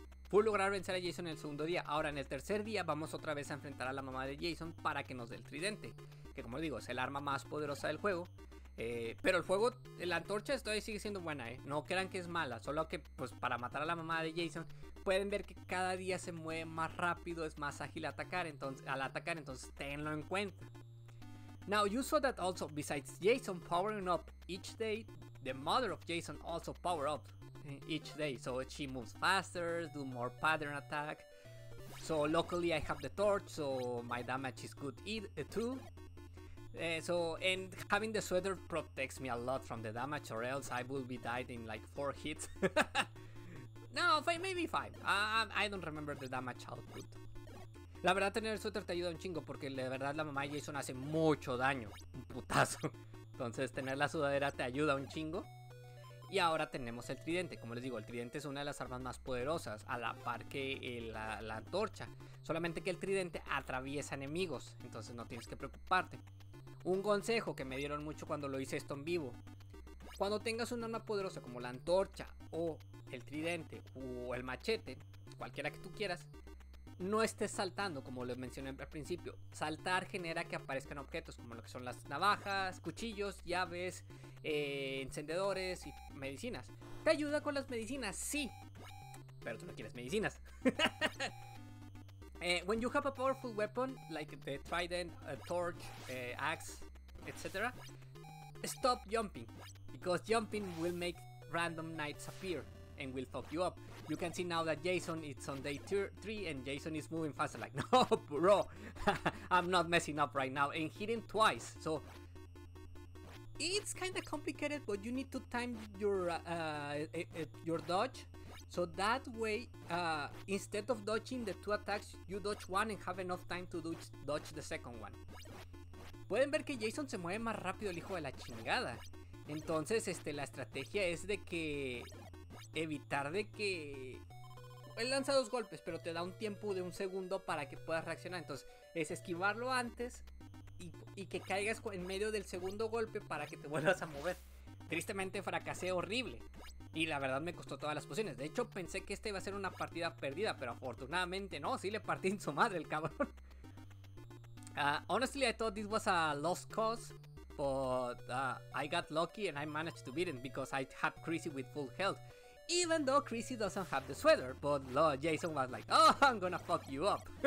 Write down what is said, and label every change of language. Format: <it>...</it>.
<es>Pude lograr vencer a Jason el segundo día. Ahora, en el tercer día, vamos otra vez a enfrentar a la mamá de Jason para que nos dé el tridente. Que, como digo, es el arma más poderosa del juego. Pero el fuego, la antorcha todavía sigue siendo buena, ¿eh? No crean que es mala. Solo que, pues, para matar a la mamá de Jason, pueden ver que cada día se mueve más rápido, es más ágil al atacar. Entonces, tenlo en cuenta.</es> <en>Now, you saw that also, besides Jason powering up each day, the mother of Jason also power up each day, so she moves faster, do more pattern attack. So luckily I have the torch, so my damage is good too. So, and having the sweater protects me a lot from the damage, or else I will be died in like 4 hits. No, maybe 5. I don't remember the damage output.</en> <es>La verdad, tener el suéter te ayuda un chingo, porque la verdad la mamá de Jason hace mucho daño, un putazo. Entonces tener la sudadera te ayuda un chingo. Y ahora tenemos el tridente. Como les digo, el tridente es una de las armas más poderosas, a la par que la antorcha. Solamente que el tridente atraviesa enemigos, entonces no tienes que preocuparte. Un consejo que me dieron mucho cuando lo hice esto en vivo: cuando tengas un arma poderosa como la antorcha o el tridente o el machete, cualquiera que tú quieras, no estés saltando, como les mencioné al principio. Saltar genera que aparezcan objetos como lo que son las navajas, cuchillos, llaves, encendedores y medicinas. ¿Te ayuda con las medicinas? Sí. pero tú no quieres medicinas.</es> <en>When you have a powerful weapon, like the trident, torch, axe, etc., stop jumping, because jumping will make random knights appear and will fuck you up. You can see now that Jason is on day 3 and Jason is moving faster, like, no, bro, I'm not messing up right now, and hitting twice, so it's kind of complicated, but you need to time your dodge. So that way, instead of dodging the two attacks, you dodge one and have enough time to dodge the second one.</en> <es>Pueden ver que Jason se mueve más rápido el hijo de la chingada. Entonces, la estrategia es de que evitar de que él lanza dos golpes, pero te da un tiempo de un segundo para que puedas reaccionar. Entonces, es esquivarlo antes y que caigas en medio del segundo golpe para que te vuelvas a mover. Tristemente fracasé horrible. Y la verdad me costó todas las pociones. De hecho, pensé que esta iba a ser una partida perdida, pero afortunadamente no, sí le partí en su madre el cabrón.</es> <en>Honestly, I thought this was a lost cause, but I got lucky and I managed to beat him because I had Chrissy with full health. Even though Chrissy doesn't have the sweater, but Lord Jason was like, oh, I'm gonna fuck you up.</en>